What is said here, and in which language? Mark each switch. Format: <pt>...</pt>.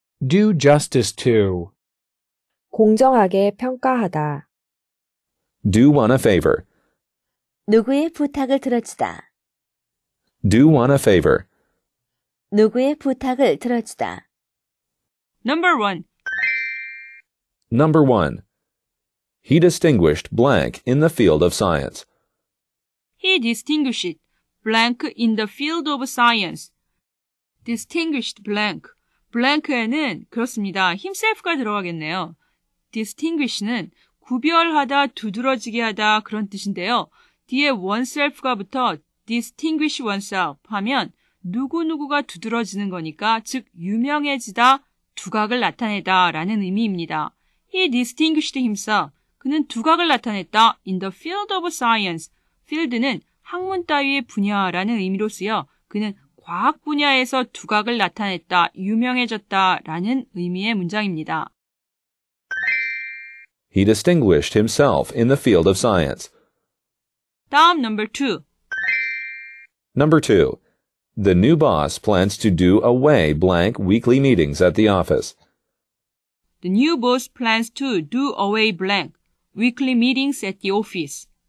<en>Do justice to.</en> <ko>공정하게 평가하다.</ko> <en>Do one a favor.</en> <ko>누구의 부탁을 들어주다.</ko> <en>Do one a favor.</en> <ko>누구의 부탁을 들어주다.</ko> <en>Number one. Number one. He distinguished blank in the field of science. He distinguished blank in the field of science. Distinguished blank.</en> <ko>Blank에는 그렇습니다. himself가 들어가겠네요. Distinguish는 구별하다, 두드러지게 하다 그런 뜻인데요. 뒤에 oneself가 붙어</ko> <en>distinguish oneself</en> <ko>하면 누구누구가 두드러지는 거니까 즉 유명해지다, 두각을 나타내다 라는 의미입니다.</ko> <en>He distinguished himself.</en> <ko>그는 두각을 나타냈다.</ko> <en>In the field of science.</en> <ko>Field는 학문 따위의 분야라는 의미로 쓰여 그는 과학 분야에서 두각을 나타냈다, 유명해졌다 라는 의미의 문장입니다.</ko> <en>He distinguished himself in the field of science. 다음 number two. Number two. The new boss plans to do away blank weekly meetings at the office. The new boss plans to do away blank weekly meetings at the office.</en>